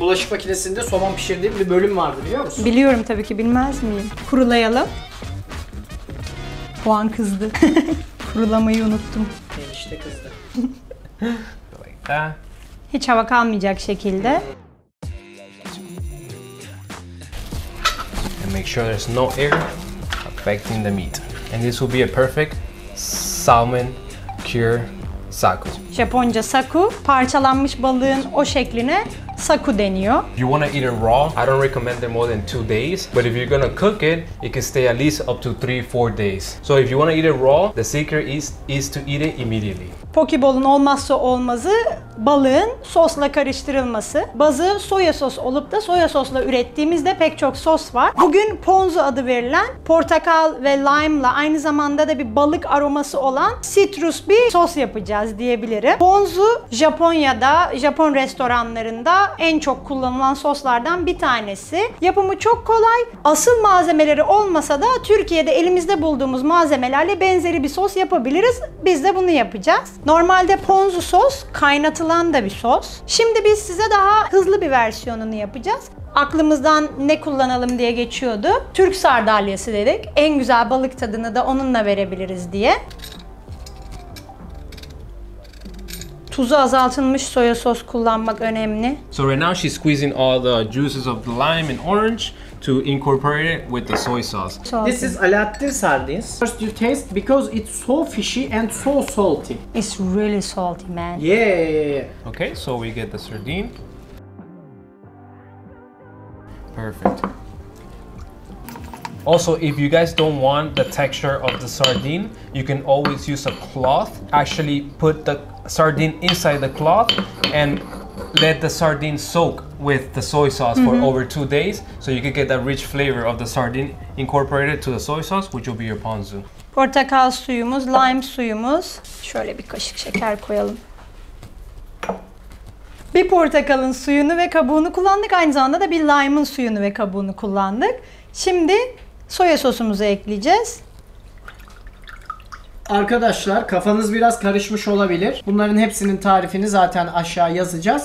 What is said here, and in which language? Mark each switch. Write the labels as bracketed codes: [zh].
[tr] Bulaşık makinesinde somon pişirdiğim bir bölüm vardı, biliyor musun? Biliyorum tabii ki, bilmez miyim? Kurulayalım. Puan kızdı. Kurulamayı unuttum. İşte kızdı. Hiç hava kalmayacak şekilde. [en] And make sure there's no air affecting the meat. And this will be a perfect salmon cure. Saku. [tr] Japonca saku, parçalanmış balığın o şekline saku deniyor. [en] If you want to eat it raw, I don't recommend it more than 2 days. But if you're gonna cook it, it can stay at least up to 3-4 days. So if you want to eat it raw, the secret is to eat it immediately. [tr] Pokeball'un olmazsa olmazı balığın sosla karıştırılması. Bazı soya sos olup da soya sosla ürettiğimizde pek çok sos var. Bugün ponzu adı verilen portakal ve lime'la aynı zamanda da bir balık aroması olan citrus bir sos yapacağız diyebilirim. Ponzu Japonya'da, Japon restoranlarında en çok kullanılan soslardan bir tanesi. Yapımı çok kolay. Asıl malzemeleri olmasa da Türkiye'de elimizde bulduğumuz malzemelerle benzeri bir sos yapabiliriz. Biz de bunu yapacağız. Normalde ponzu sos kaynatılan da bir sos. Şimdi biz size daha hızlı bir versiyonunu yapacağız. Aklımızdan ne kullanalım diye geçiyordu. Türk sardalyası dedik. En güzel balık tadını da onunla verebiliriz diye. Tuzu azaltılmış soya sos kullanmak önemli. [en] So right now she's squeezing all the juices of the lime and orange to incorporate it with the soy sauce. This is Alaaddin sardines. First you taste because it's so fishy and so salty. It's really salty, man. Yeah. Okay, so we get the sardine. Perfect. Also, if you guys don't want the texture of the sardine, you can always use a cloth. Actually put the sardine inside the cloth and let the sardine soak with the soy sauce for over 2 days, so you can get that rich flavor of the sardine incorporated to the soy sauce, which will be your ponzu. [tr] Portakal suyumuz, lime suyumuz. Şöyle bir kaşık şeker koyalım. Bir portakalın suyunu ve kabuğunu kullandık. Aynı zamanda da bir lime'ın suyunu ve kabuğunu kullandık. Şimdi soya sosumuzu ekleyeceğiz. Arkadaşlar, kafanız biraz karışmış olabilir. Bunların hepsinin tarifini zaten aşağı yazacağız.